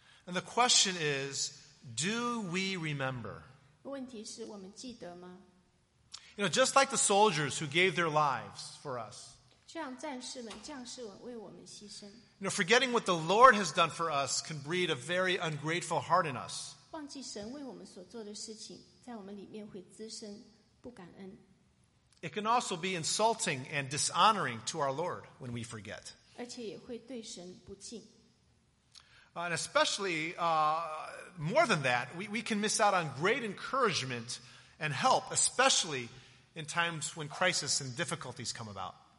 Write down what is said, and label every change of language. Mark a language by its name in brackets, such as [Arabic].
[English] And the question is, do we remember? [Chinese] 问题是我们记得吗？ [English] You know, just like the soldiers who gave their lives for us. [Chinese] 就像战士们，将士们为我们牺牲。 [English] You know, forgetting what the Lord has done for us can breed a very ungrateful heart in us. [Chinese] 忘记神为我们所做的事情，在我们里面会滋生不感恩。 [English] It can also be insulting and dishonoring to our Lord when we forget. [Chinese] 而且也会对神不敬。 [English] And especially, more than that, we can miss out on great encouragement and help, especially in times when crisis and difficulties come about.